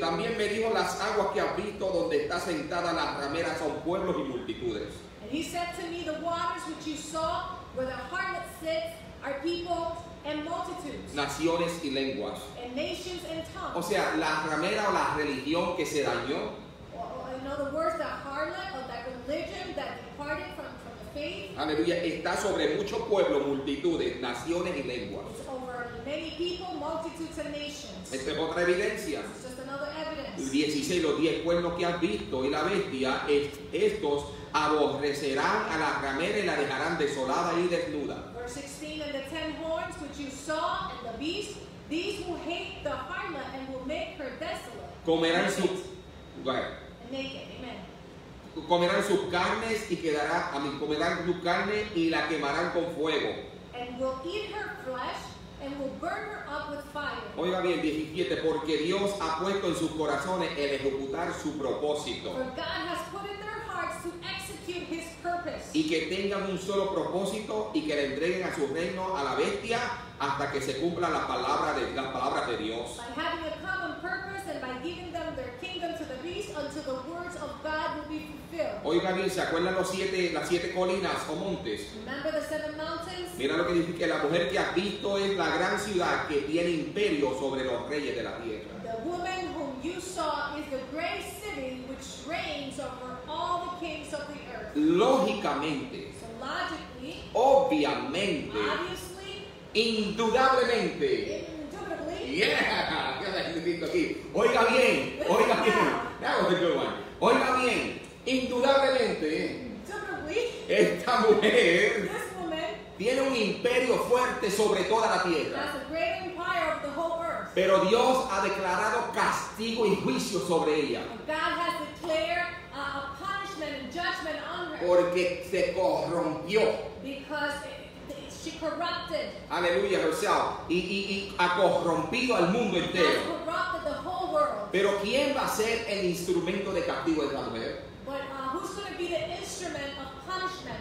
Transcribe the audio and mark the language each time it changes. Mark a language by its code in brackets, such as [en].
[es] También me dijo, las aguas que has visto donde está sentada la ramera son pueblos y multitudes. [en] And he said to me, the waters which you saw where the harlot sits are people and multitudes. [es] Naciones y lenguas. [en] And nations and tongues. [es] O sea, la ramera o la religión que se dañó. [en] In other words, the harlot or that religion that departed from the faith. [es] Aleluya. Está sobre mucho pueblo, multitudes, naciones y lenguas. [en] It's over many people, multitudes and nations. [es] Esta es otra evidencia. [en] It's just another evidence. [es] 16, los 10 cuernos que has visto y la bestia, estos aborrecerán a la ramera y la dejarán desolada y desnuda. [en] Verse 16, and the 10 horns which you saw and the beast, these will hate the harlot and will make her desolate. [es] Comerán su... [en] Naked. Amen. [es] Comerán sus carnes y quedará, a mí, comerán su carne y la quemarán con fuego. [en] And will eat her flesh and will burn her up with fire. [es] Oiga bien, 17, porque Dios ha puesto en sus corazones el ejecutar su propósito. [en] For God has put in their hearts to execute his purpose. [es] Y que tengan un solo propósito y que le entreguen a su reino a la bestia hasta que se cumpla la palabra de las palabras de Dios. [en] By having a common purpose and by giving them their kingdom to the beast until the words of God will be fulfilled. [es] Oiga bien, ¿se acuerdan las siete colinas o montes? [en] Remember the seven mountains? [es] Mira lo que dice, que la mujer que has visto es la gran ciudad que tiene imperio sobre los reyes de la tierra. [en] The woman whom you saw is the great city which reigns over all the kings of the earth. [es] Lógicamente. [en] So logically. [es] Obviamente. [en] Obviously. [es] Indudablemente. [en] Indudably. Yeah. [es] Oiga bien. Oiga bien. [en] That was a good one. [es] Oiga bien. Indudablemente. [en] Indudably. [es] Esta mujer. [en] This woman. [es] Tiene un imperio fuerte sobre toda la tierra. [en] That's a great empire of the whole earth. [es] Pero Dios ha declarado castigo y juicio sobre ella. [en] God has declared a punishment and judgment on her. [es] Porque se corrompió. [en] Because she corrupted. [es] Aleluya, [en] herself. [es] Y ha corrompido al mundo entero. [en] She corrupted the whole world. [es] Pero ¿quién va a ser el instrumento de castigo de esta mujer? [en] But who's going to be the instrument of punishment?